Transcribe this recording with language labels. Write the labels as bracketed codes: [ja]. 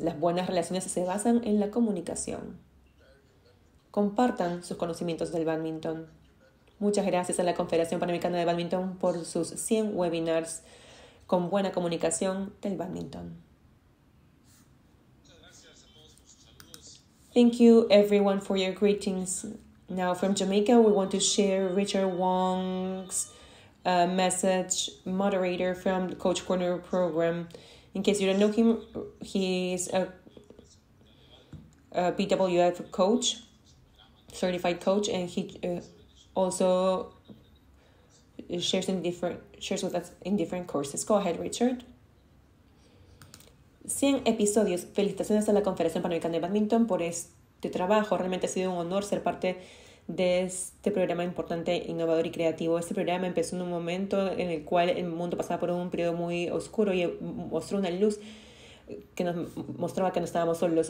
[es] Las buenas relaciones se basan en la comunicación. Compartan sus conocimientos del bádminton. Muchas gracias a la Confederación Panamericana de Bádminton por sus 100 webinars con buena comunicación del bádminton. [en] Thank you everyone for your greetings. Now from Jamaica, we want to share Richard Wong's message, moderator from the Coach Corner program. In case you don't know him, he's a BWF coach, certified coach, and he also shares with us in different courses. Go ahead, Richard. [es] 100 episodios. Felicitaciones a la Confederación Panamericana de Badminton por este trabajo. Realmente ha sido un honor ser parte de este programa importante, innovador y creativo. Este programa empezó en un momento en el cual el mundo pasaba por un periodo muy oscuro y mostró una luz que nos mostraba que no estábamos solos.